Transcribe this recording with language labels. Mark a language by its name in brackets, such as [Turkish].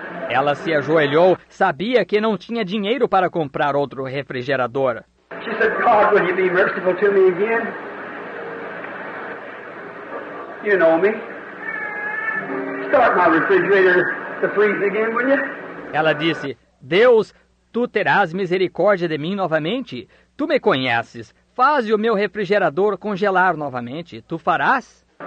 [Portuguese] Ela se ajoelhou, sabia que não tinha dinheiro para comprar outro refrigerador. [English] She said, God, will you be merciful to me again? You know me. Start my refrigerator to freeze again, will you? [Portuguese] Ela disse, Deus, tu terás misericórdia de mim novamente? Tu me conheces. Faz o meu refrigerador congelar novamente. Tu farás?